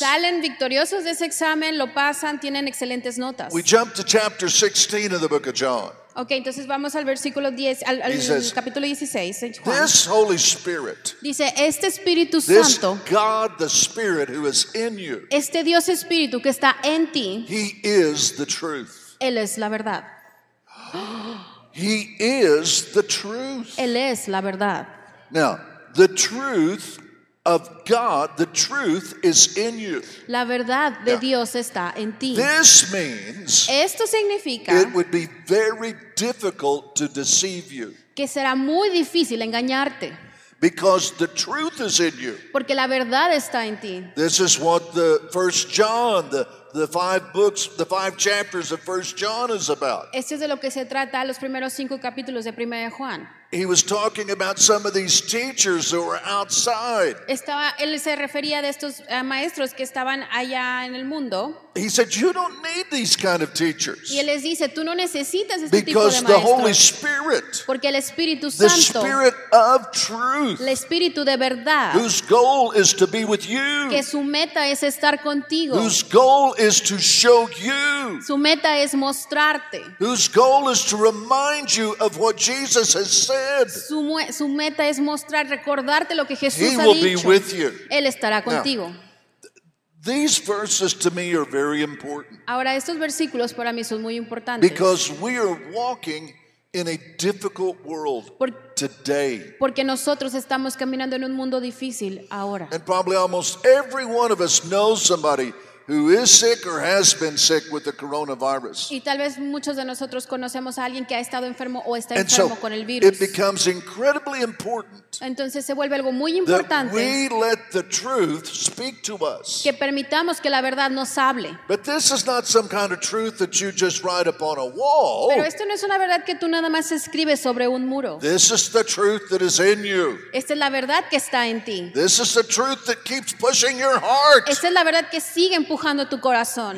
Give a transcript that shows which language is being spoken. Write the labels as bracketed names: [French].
[Spanish] Salen victoriosos de ese examen, lo pasan, tienen excelentes notas. [English] We jump to chapter 16 of the book of John. [Spanish] Okay, entonces vamos al versículo 10, al [English] says, [Spanish] capítulo 16. Juan. [English] This Holy Spirit, [Spanish] dice, este Espíritu [English] this [Spanish] Santo, [English] God, the Spirit who is in you, [Spanish] este Dios Espíritu que está en ti, [English] he is the truth. [Spanish] Él es la verdad. [English] He is the truth. [Spanish] Él es la verdad. [English] Now, the truth of God, the truth is in you. [Spanish] La verdad de now, Dios está en ti. [English] This means [Spanish] esto significa [English] it would be very difficult to deceive you. [Spanish] Que será muy difícil engañarte. [English] Because the truth is in you. [Spanish] Porque la verdad está en ti. [English] This is what the First John, the five books, the five chapters of First John is about. [Spanish] Esto es de lo que se trata los primeros cinco capítulos de Primera de Juan. [English] He was talking about some of these teachers who were outside. [Spanish] Estaba, él se refería de estos maestros que estaban allá en el mundo. [English] He said, "You don't need these kind of teachers." [Spanish] Y él les dice, tú no necesitas este tipo de [English] maestros. Because the Holy Spirit, [Spanish] porque el Espíritu Santo, [English] the Spirit of Truth, [Spanish] el Espíritu de verdad, [English] whose goal is to be with you, [Spanish] que su meta es estar contigo, [English] whose goal is to show you, [Spanish] su meta es mostrarte, [English] whose goal is to remind you of what Jesus has said. [Spanish] Su meta es mostrar, recordarte lo que Jesús ha [English] dicho. He will be with you. [Spanish] Él estará contigo. [English] Now, these verses to me are very important. [Spanish] Ahora, estos versículos para mí son muy importantes. [English] Because we are walking in a difficult world today. [Spanish] Porque nosotros estamos caminando en un mundo difícil ahora. [English] And probably almost every one of us knows somebody who is sick or has been sick with the coronavirus. [Spanish] Y tal vez muchos de nosotros conocemos a alguien que ha estado enfermo o está enfermo con el virus. [English] And so it becomes incredibly important. [Spanish] Entonces se vuelve algo muy importante. [English] That we let the truth speak to us. [Spanish] Que permitamos que la verdad nos hable. [English] But this is not some kind of truth that you just write upon a wall. [Spanish] Pero esto no es una verdad que tú nada más escribes sobre un muro. [English] This is the truth that is in you. [Spanish] Esta es la verdad que está en ti. [English] This is the truth that keeps pushing your heart. [Spanish] Esta es la verdad que sigue empujando tu corazón.